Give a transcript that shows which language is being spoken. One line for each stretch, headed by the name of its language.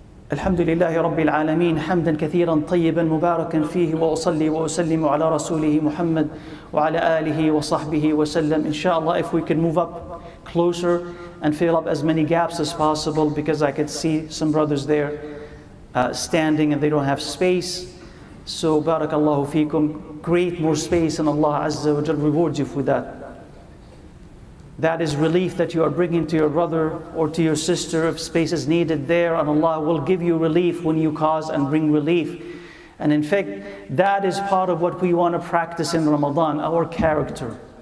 Arabic: الحمد لله رب العالمين حمدا كثيرا طيبا مباركا فيه وأصلي وأسلم على رسوله محمد وعلى آله وصحبه وسلم إن شاء الله.
English: If we can move up closer and fill up as many gaps as possible, because I could see some brothers there standing and they don't have space.
Arabic: So بارك الله فيكم.
English: Create more space and Allah Azza wa Jal rewards you for that. That is relief that you are bringing to your brother or to your sister if space is needed there. And Allah will give you relief when you cause and bring relief. And in fact, that is part of what we want to practice in Ramadan, our character.